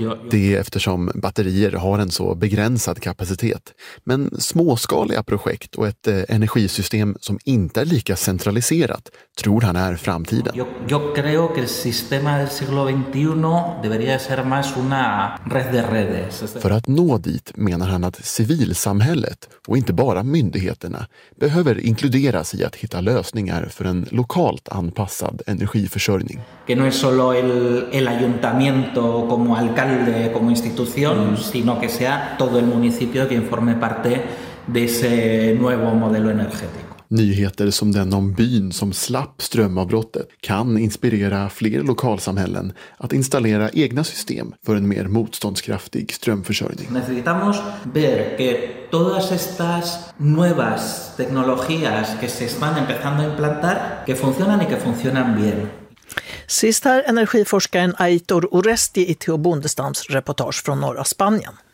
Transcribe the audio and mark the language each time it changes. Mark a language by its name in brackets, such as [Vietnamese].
[Swedish] Det är eftersom batterier har en så begränsad kapacitet. Men småskaliga projekt och ett energisystem som inte är lika centraliserat tror han är framtiden. Jag tror att systemet [Spanish] del siglo 21 debería ser más una red de redes. [Swedish] För att nå dit menar han att civilsamhället och inte bara myndigheterna behöver inkluderas i att hitta lösningar för en lokalt anpassad energiförsörjning. [Spanish] Que no es solo el ayuntamiento como alcalde como institución, sino que sea todo el municipio quien forme parte de ese nuevo modelo energético. [Swedish] Nyheter som den om byn som slapp strömavbrottet kan inspirera fler lokalsamhällen att installera egna system för en mer motståndskraftig strömförsörjning. [Spanish] Necesitamos ver que todas estas nuevas tecnologías que se están empezando a implantar que funcionan y que funcionan bien. [Swedish] Sist här energiforskaren Aitor Oresti i Theo Bondestams reportage från norra Spanien.